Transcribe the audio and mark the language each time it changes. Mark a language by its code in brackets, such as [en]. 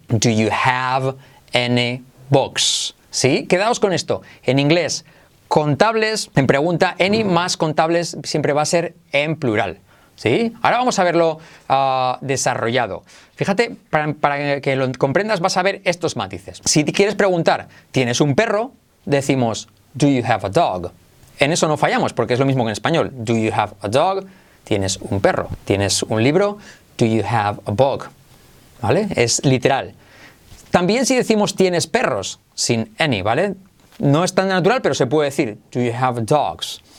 [en] Do you have any books? [es] ¿Sí? Quedaos con esto. En inglés, contables, en pregunta, any más contables siempre va a ser en plural. ¿Sí? Ahora vamos a verlo desarrollado. Fíjate, para que lo comprendas, vas a ver estos matices. Si quieres preguntar, ¿tienes un perro? Decimos, [en] do you have a dog? [es] En eso no fallamos, porque es lo mismo que en español. [en] Do you have a dog? [es] Tienes un perro. Tienes un libro. [en] Do you have a book? [es] ¿Vale? Es literal. También si decimos tienes perros, sin any, ¿vale? No es tan natural, pero se puede decir [en] do you have dogs.